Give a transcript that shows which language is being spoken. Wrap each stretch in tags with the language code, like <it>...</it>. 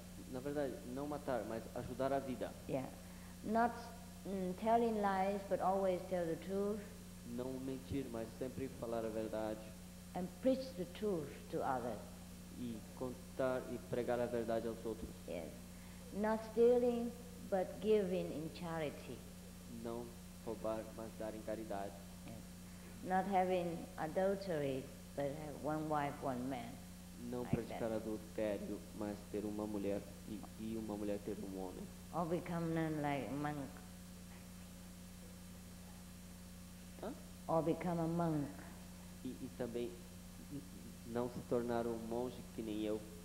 <pt>Na verdade, não matar, mas ajudar a vida.</pt> <en>Yeah. Not telling lies, but always tell the truth.</en> <pt>Não mentir, mas sempre falar a verdade.</pt> <en>And preach the truth to others.</en> <pt>E contar e pregar a verdade aos outros.</pt> <en>Yes. Not stealing, but giving in charity.</en> <pt>Não roubar, mas dar em caridade.</pt> <en>Yes. not having adultery, but have one wife, one man.</en> <pt>Não</pt> <en>like</en> <pt>praticar adultério, mas ter uma mulher e uma mulher ter homem.</pt> <en>Or become nun like a monk. Huh? Or become a monk.</en> <pt>E também não se tornar monge que nem eu.</pt>